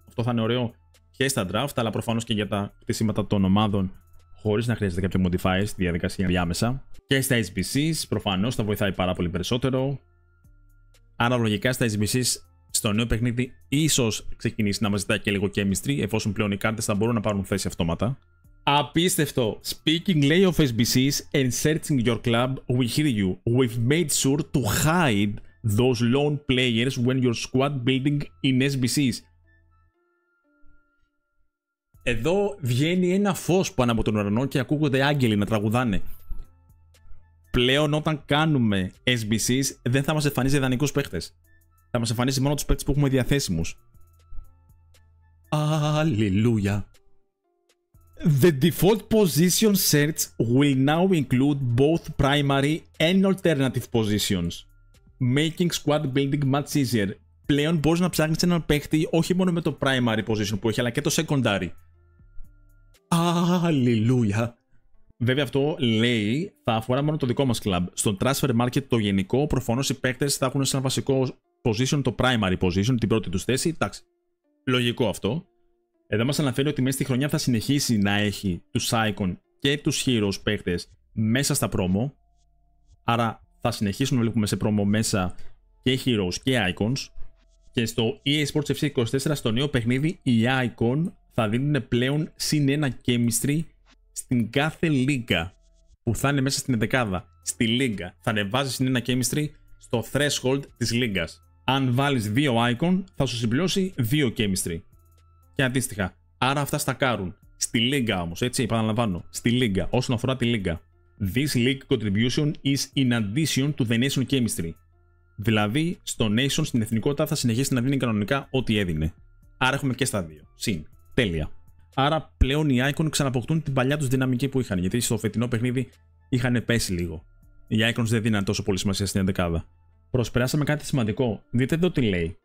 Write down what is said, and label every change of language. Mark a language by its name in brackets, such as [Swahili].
[Greek] Αυτό θα είναι ωραίο και στα draft, αλλά προφανώς και για τα χτίσματα των ομάδων, χωρίς να χρειάζεται κάποιο modifier στη διαδικασία διάμεσα. Και στα SBCs, προφανώς θα βοηθάει πάρα πολύ περισσότερο. Άρα, λογικά στα SBCs, στο νέο παιχνίδι, ίσως ξεκινήσει να μας ζητάει και λίγο chemistry, εφόσον πλέον οι κάρτες θα μπορούν να πάρουν θέση αυτόματα. Απίστευτο! [English] Speaking lay of SBCs and searching your club, we hear you. We've made sure to hide those lone players when your squad building in SBCs. [Greek] Εδώ βγαίνει ένα φως πάνω από τον ουρανό και ακούγονται άγγελοι να τραγουδάνε. Πλέον όταν κάνουμε SBCs δεν θα μας εμφανίζει ιδανικούς παίχτες. Θα μας εμφανίσει μόνο τους παίκτες που έχουμε διαθέσιμους. Αλληλούια. [English] The default position search will now include both primary and alternative positions, making squad building much easier. [Greek] Πλέον μπορείς να ψάχνεις έναν παίκτη όχι μόνο με το primary position που έχει, αλλά και το secondary. Αλληλούια. Βέβαια αυτό λέει θα αφορά μόνο το δικό μας club. Στο transfer market το γενικό, προφανώς οι παίκτες θα έχουν σαν βασικό position, το primary position, την πρώτη τους θέση. Εντάξει, λογικό αυτό. Εδώ μας αναφέρει ότι μέσα στη χρονιά θα συνεχίσει να έχει τους icon και τους heroes παίκτες μέσα στα promo. Άρα θα συνεχίσουμε να βλέπουμε σε promo μέσα και heroes και icons. Και στο EA Sports FC 24, στο νέο παιχνίδι, οι icon θα δίνουν πλέον συν ένα chemistry στην κάθε λίγα που θα είναι μέσα στην 11άδα. Στη λίγα θα ανεβάζει συν ένα chemistry στο threshold της λίγκας. Αν βάλεις 2 icon, θα σου συμπληρώσει 2 chemistry. Και αντίστοιχα, άρα αυτά στακάρουν. Στη λίγκα όμως, έτσι, επαναλαμβάνω. Στη λίγκα, όσον αφορά τη λίγκα. [English] This league contribution is in addition to the nation chemistry. [Greek] Δηλαδή, στο nation, στην εθνικότητα, θα συνεχίσει να δίνει κανονικά ό,τι έδινε. Άρα έχουμε και στα 2. Συν. Τέλεια. Άρα πλέον οι icon ξαναποκτούν την παλιά τους δυναμική που είχαν, γιατί στο φετινό παιχνίδι είχαν πέσει λίγο. Οι icons δεν δίναν τόσο πολύ σημασία στην 11άδα. Προσπεράσαμε κάτι σημαντικό. Δείτε εδώ τι λέει.